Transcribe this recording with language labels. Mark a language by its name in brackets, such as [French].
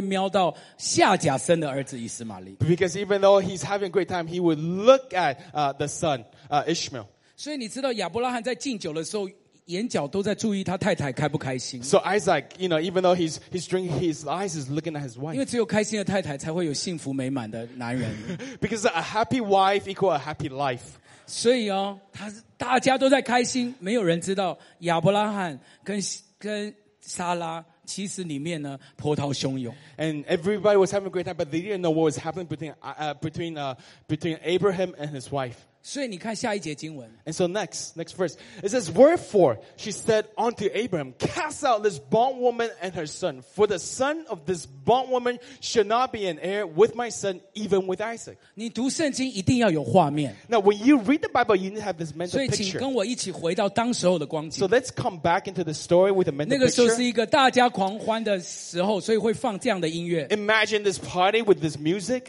[Chinese] 因为他玩得开心，大家敬酒的时候，他余光会瞄到夏甲生的儿子以实玛利。 [English] Because even though he's having a great time, he would look at the son, Ishmael. [Chinese] 所以你知道亚伯拉罕在敬酒的时候，眼角都在注意他太太开不开心。 [English] So Isaac, you know, even though he's drinking, his eyes is looking at his wife. [Chinese] 因为只有开心的太太才会有幸福美满的男人。 [English] Because a happy wife equals a happy life. [Chinese] 所以哦，他是大家都在开心，没有人知道亚伯拉罕跟莎拉其实里面呢波涛汹涌。 [English] And everybody was having a great time, but they didn't know what was happening between Abraham and his wife. [Chinese] 所以你看下一节经文。 [English] And so next verse, it says, "Wherefore she said unto Abraham, Cast out this bondwoman and her son, for the son of this bondwoman shall not be an heir with my son, even with Isaac." [Chinese] 你读圣经一定要有画面。 [English] Now, when you read the Bible, you need to have this mental picture. [Chinese] 所以请跟我一起回到当时候的光景。 [English] So let's come back into the story with a mental picture. [Chinese] 那个时候是一个大家狂欢的时候，所以会放这样的音乐。 [English] Imagine this party with this music.